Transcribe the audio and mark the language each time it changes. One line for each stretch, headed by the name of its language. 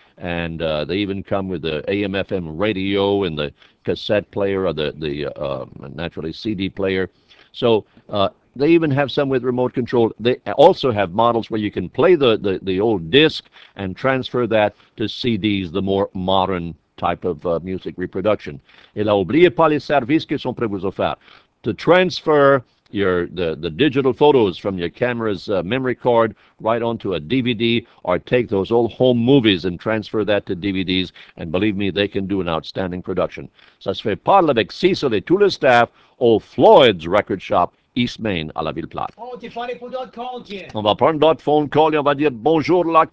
English: And they even come with the AM/FM radio and the cassette player, or the naturally CD player. So they even have some with remote control. They also have models where you can play the old disc and transfer that to CDs, the more modern type of music reproduction.
French: Et là, oubliez pas les services qui sont prêts à vous offrir.
English: To transfer the digital photos from your camera's memory card right onto a DVD, or take those old home movies and transfer that to DVDs, and believe me, they can do an outstanding production.
French: Ça se fait par avec Cecil et tout le staff au Floyd's Record Shop, East Main, à la Ville Plate. Oh, on va prendre notre phone call et on va dire bonjour là.